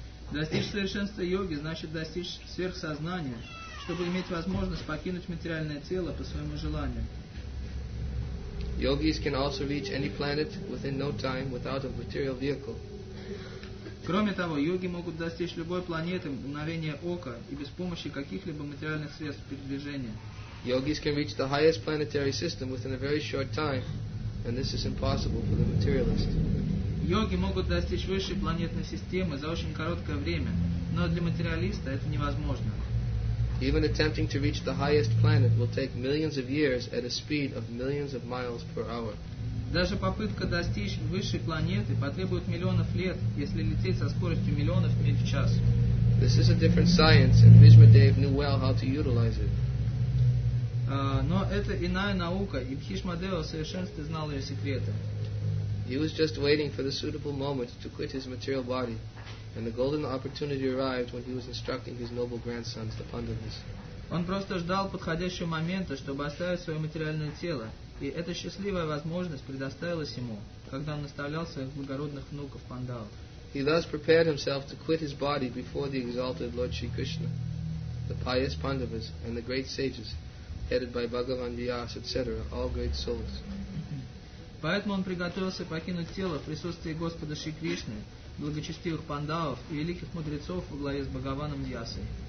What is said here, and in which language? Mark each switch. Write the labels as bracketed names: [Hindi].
[Russian] Достичь совершенства йоги значит достичь сверхсознания, чтобы иметь возможность покинуть материальное тело по своему желанию. [English] Yogis can also reach any planet within no time without a material vehicle. [Russian] Кроме того, йоги могут достичь любой планеты в мгновение ока и без помощи каких-либо материальных средств передвижения. [English] Yogis can reach the highest planetary system within a very short time, and this is impossible for the materialist. [Russian] Йоги могут достичь высшей планетной системы за очень короткое время, но для материалиста это невозможно. [English] Even attempting to reach the highest planet will take millions of years at a speed of millions of miles per hour. [Russian] Даже попытка достичь высшей планеты потребует миллионов лет, если лететь со скоростью миллионов миль в час. [English] This is a different science, and Bhishma Dev knew well how to utilize it. [Russian] Но это иная наука, и Бхишма Дева в совершенстве знал ее секреты. [English] He was just waiting for the suitable moment to quit his material body, and the golden opportunity arrived when he was instructing his noble grandsons, the Pandavas. [Russian] Он просто ждал подходящего момента, чтобы оставить свое материальное тело, и эта счастливая возможность предоставилась ему, когда он наставлял своих благородных внуков Пандавов. [English] He thus prepared himself to quit his body before the exalted Lord Shri Krishna, the pious Pandavas, and the great sages, headed by Bhagavan Vyas, etc., all great souls. [Russian] Поэтому он приготовился покинуть тело в присутствии Господа Шри Кришны, благочестивых пандавов и великих мудрецов во главе с Бхагаваном Вьясой.